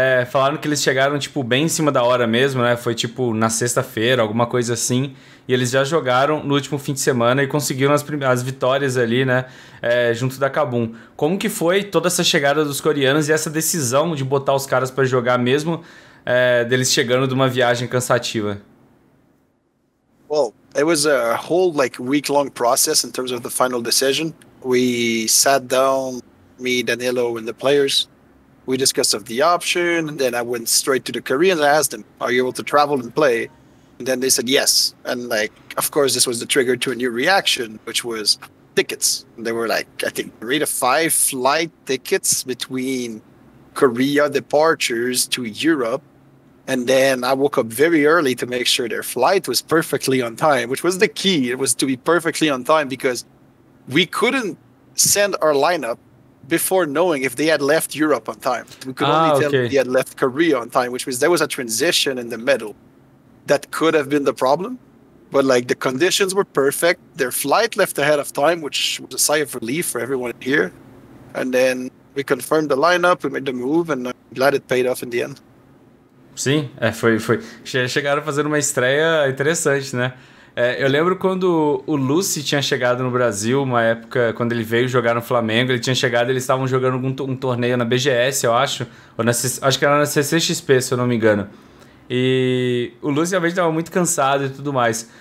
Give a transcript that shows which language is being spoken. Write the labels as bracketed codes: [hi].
[pt] Falaram que eles chegaram, tipo, bem em cima da hora mesmo, né? Foi, tipo, na sexta-feira, alguma coisa assim. E eles já jogaram no último fim de semana e conseguiram as vitórias ali, né? Junto da Kabum. Como que foi toda essa chegada dos coreanos e essa decisão de botar os caras para jogar mesmo deles chegando de uma viagem cansativa? [en] Well, it was a whole, like, week-long process in terms of the final decision. We sat down, me, Danilo, and the players. We discussed of the option, and then I went straight to the Koreans. I asked them, are you able to travel and play? And then they said yes. And, like, of course, this was the trigger to a new reaction, which was tickets. And they were, like, I think 3 to 5 flight tickets between Korea departures to Europe. And then I woke up very early to make sure their flight was perfectly on time, which was the key. It was to be perfectly on time because we couldn't send our lineup before knowing if they had left Europe on time. We could only tell if they had left Korea on time, which means there was a transition in the middle that could have been the problem. But, like, the conditions were perfect. Their flight left ahead of time, which was a sigh of relief for everyone here. And then we confirmed the lineup, we made the move, and I'm glad it paid off in the end. [pt] Sim, foi. Chegaram fazendo uma estreia interessante, né? Eu lembro quando o Lucy tinha chegado no Brasil, uma época, quando ele veio jogar no Flamengo, ele tinha chegado, eles estavam jogando um torneio na BGS, eu acho. Acho que era na CCXP, se eu não me engano. E o Lucy, às vezes, estava muito cansado e tudo mais.